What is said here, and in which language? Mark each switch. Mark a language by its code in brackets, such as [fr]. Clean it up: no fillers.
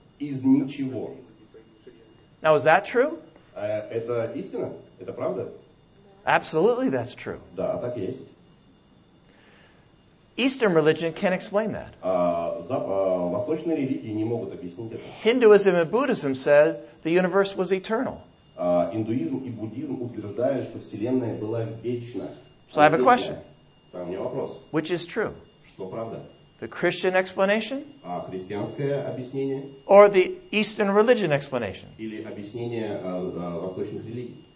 [ru] Из ничего. [en] Now is that true? [ru] Это истина? Это правда? [en] Absolutely, that's true. [ru] Да, так есть. [en] Eastern religion can't explain that. [ru] Восточные религии не могут объяснить это. [en] Hinduism and Buddhism says the universe was eternal. [ru] Индуизм и буддизм утверждают, что вселенная была вечна. [en] So I have a question. [ru] Да, у меня вопрос. [en] Which is true? [ru] Что правда? [en] The Christian explanation? [ru] Христианское объяснение? [en] Or the Eastern religion explanation? [ru] Или объяснение восточных религий?